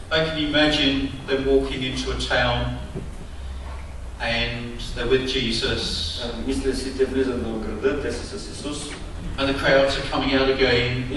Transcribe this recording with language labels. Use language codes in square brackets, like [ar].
[en] I can imagine them walking into a town and they're with Jesus. [bg] Мисля си, те влизат в града, те са с Исус. [en] And the crowds are coming out again.